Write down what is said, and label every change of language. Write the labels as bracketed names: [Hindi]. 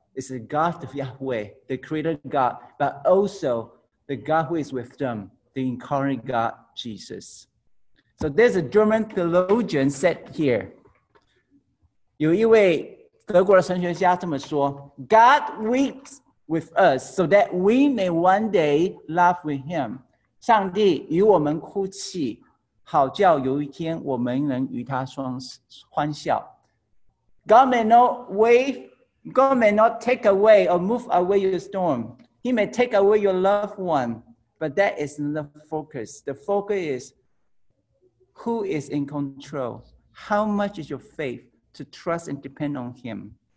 [English] It's the God of Yahweh, the creator God, but also the God who is with them, the incarnate God, Jesus. So there's a German theologian said here, [Chinese] 有一位德国的神学家这么说, [English] God weeps with us so that we may one day laugh with him. [Chinese] 上帝与我们哭泣, 好叫有一天我们能与他欢笑。 [English] God may not wave, God may not take away or move away your storm. He may take away your loved one, but that is not the focus. The focus is who is in control? How much is your faith to trust and depend on him?